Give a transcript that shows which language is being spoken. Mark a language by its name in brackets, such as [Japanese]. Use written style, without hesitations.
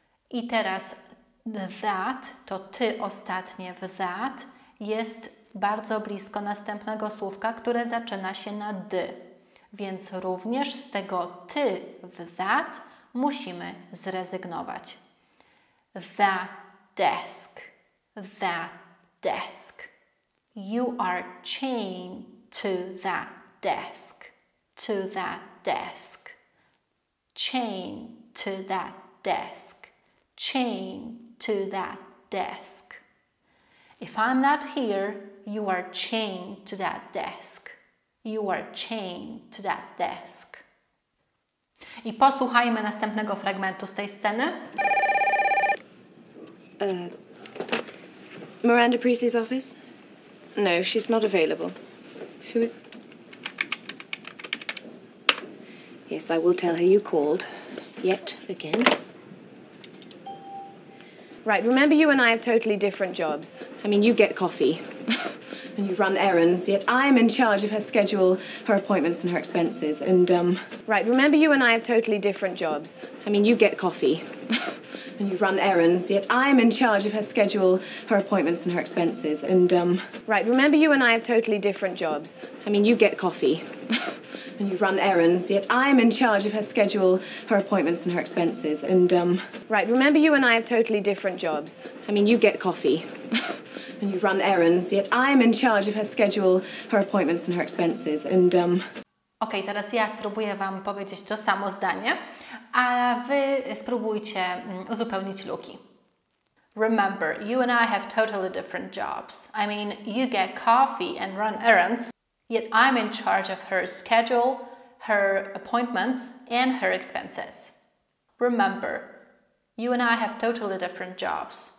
[Polish] I teraz that, to ty ostatnie w that, jest bardzo blisko następnego słówka, które zaczyna się na d. Więc również z tego ty w that musimy zrezygnować. [English] That desk. That desk. You are chained to that desk. To that desk. Chained to that desk. Chained to that desk. If I'm not here, you are chained to that desk. You are chained to that desk. [Polish] I posłuchajmy następnego fragmentu z tej sceny. [English] Miranda Priestley's office? No, she's not available. Who is? Yes, I will tell her you called. Yet again. Right, remember you and I have totally different jobs. I mean, you get coffee and you run errands, yet I'm in charge of her schedule, her appointments and her expenses, and, Right, remember you and I have totally different jobs. I mean, you get coffee and you run errands, yet I'm in charge of her schedule, her appointments and her expenses, and, Right, remember you and I have totally different jobs. I mean, you get coffee and you run errands, yet I'm in charge of her schedule, her appointments and her expenses, and, Right, remember you and I have totally different jobs. I mean, you get coffee and you run errands, yet I'm in charge of her schedule, her appointments and her expenses, and, [Polish] Okej, teraz ja spróbuję Wam powiedzieć to samo zdanie, a Wy spróbujcie uzupełnić luki. [English] Remember, you and I have totally different jobs. I mean, you get coffee and run errands, yet I'm in charge of her schedule, her appointments and her expenses. Remember, you and I have totally different jobs.